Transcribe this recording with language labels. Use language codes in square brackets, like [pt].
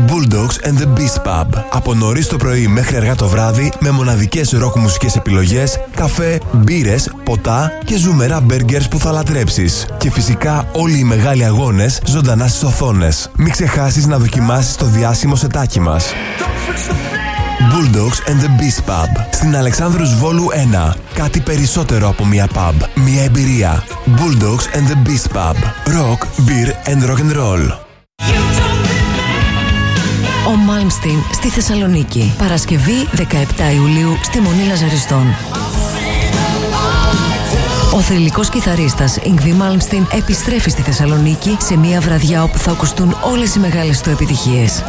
[el] Bulldogs and the Beast Pub. Από νωρίς το πρωί μέχρι αργά το βράδυ, με μοναδικές ροκ μουσικές επιλογές, καφέ, μπύρες, ποτά και ζουμερά μπέργκερς που θα λατρέψεις. Και φυσικά όλοι οι μεγάλοι αγώνες ζωντανά στις οθόνες. Μην ξεχάσεις να δοκιμάσεις το διάσημο σετάκι μας. Bulldogs and the Beast Pub. Στην Αλεξάνδρους Βόλου 1. Κάτι περισσότερο από μια pub. Μια εμπειρία. Bulldogs and the Beast Pub. [en] Rock, beer and rock and roll. [el] Ο Malmsteen στη Θεσσαλονίκη. Παρασκευή 17 Ιουλίου στη Μονή Λαζαριστών. Ο θρυλικός κιθαρίστας Ιγκβι Μάλμστιν επιστρέφει στη Θεσσαλονίκη σε μια βραδιά όπου θα ακουστούν όλες οι μεγάλες του επιτυχίες.